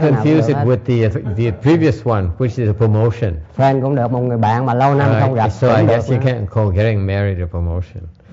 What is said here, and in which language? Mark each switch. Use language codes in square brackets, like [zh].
[en] I confuse it with the previous one, which is a promotion. [vi] Friend cũng được, một người bạn mà lâu năm không gặp. [en] So I guess you can't call getting married a promotion.